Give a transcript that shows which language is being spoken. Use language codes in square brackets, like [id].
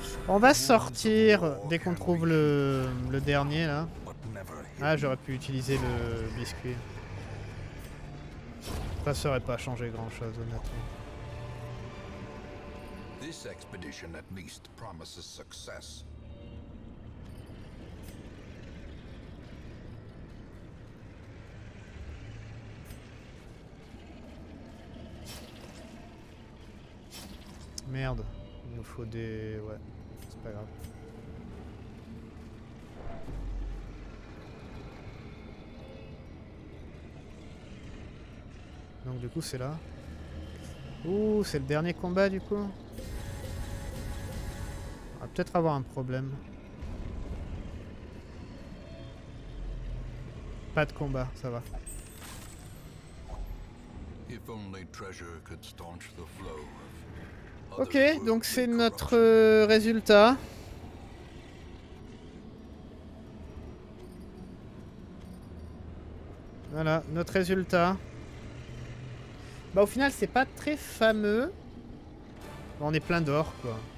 [fr] On va sortir dès qu'on trouve le dernier là. Ah, j'aurais pu utiliser le biscuit. Ça serait pas changé grand chose honnêtement. [en] This expedition at least promises success. [fr] Merde, il nous faut des... Ouais, c'est pas grave. Donc du coup c'est là. Ouh, c'est le dernier combat du coup. On va peut-être avoir un problème. Pas de combat, ça va. [en] If only treasure could staunch the flow. [fr] Ok, donc c'est notre résultat. Voilà, notre résultat. Bah au final c'est pas très fameux. On est plein d'or quoi.